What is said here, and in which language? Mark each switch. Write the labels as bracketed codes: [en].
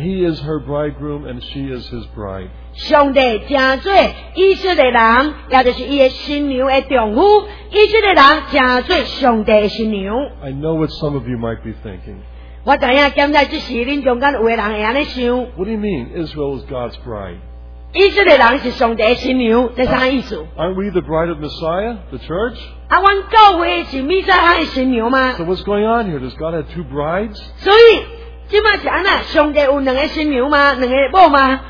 [en] he is her bridegroom and she is his bride. [nan] 上帝真做以色列人，也就是伊的新娘的丈夫，以色列人真做上帝的新娘。 [en] I know what some of you might be thinking. [nan] 我知影，现在这时恁中间有个人会安尼想。 [en] What do you mean, Israel is God's bride? [nan] 以色列人是上帝的新娘，这啥意思？ [en] Aren't we the bride of Messiah, the church? [nan] 啊，阮教会是弥赛亚的新娘吗？ [en] So what's going on here? Does God have two brides? [nan] 所以。现在是怎样？上帝有两个新娘吗？两个母吗？